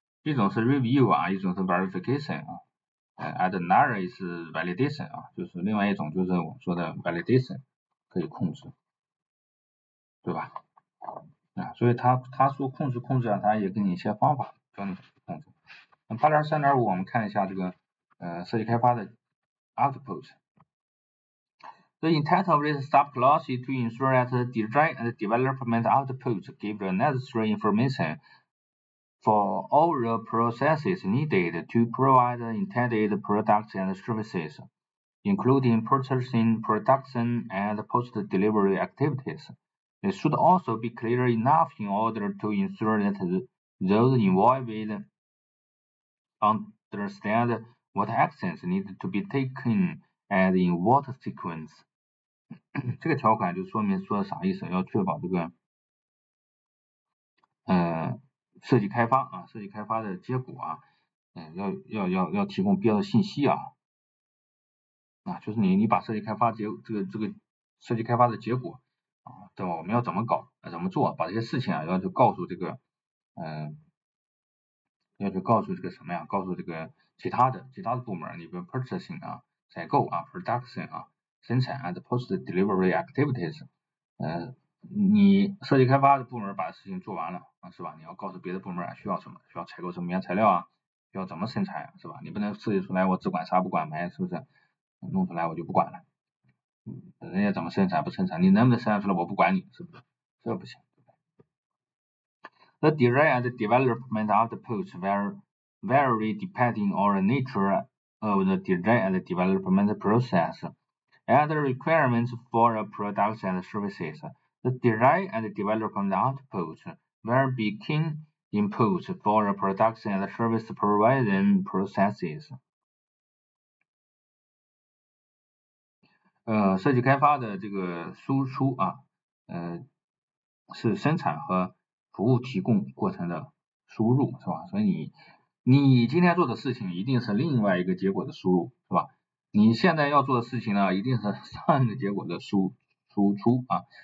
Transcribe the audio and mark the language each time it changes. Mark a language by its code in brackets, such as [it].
[zh] 一种是 review 啊，一种是 verification 啊 ， [en] and another is validation [zh] 啊，就是另外一种就是我说的 validation 可以控制，对吧？啊，所以他说控制啊，他也给你一些方法教你控制。那8.3.5我们看一下这个设计开发的。 [en] Output. The intent of this subclass is to ensure that the design and development output give the necessary information for all the processes needed to provide the intended products and services, including purchasing, production, and post-delivery activities. It should also be clear enough in order to ensure that those involved understand. What actions need to be taken and in what sequence？ [zh] 这个条款就说明说啥意思？要确保这个设计开发啊，设计开发的结果啊，要提供必要的信息啊，啊，就是你把设计开发结这个设计开发的结果啊，对吧？我们要怎么搞，怎么做，把这些事情啊，要去告诉这个要去告诉这个什么呀？告诉这个其他的部门，你比如 purchasing 啊，采购啊 ，production 啊，生产 [en] and post delivery activities， [zh] 你设计开发的部门把事情做完了啊，是吧？你要告诉别的部门需要什么，需要采购什么原材料啊，需要怎么生产啊，是吧？你不能设计出来我只管杀不管卖，是不是？弄出来我就不管了，人家怎么生产不生产，你能不能生产出来我不管你，是不是？这不行。 [en] The design and development outputs vary depending on the nature of the design and development process and the requirements for the products and services. The design and development outputs will be key inputs for the products and service providing processes. [zh] 设计开发的这个输出啊，是生产和服务提供过程的输入是吧？所以你今天做的事情一定是另外一个结果的输入是吧？你现在要做的事情呢，一定是上一个结果的输出啊。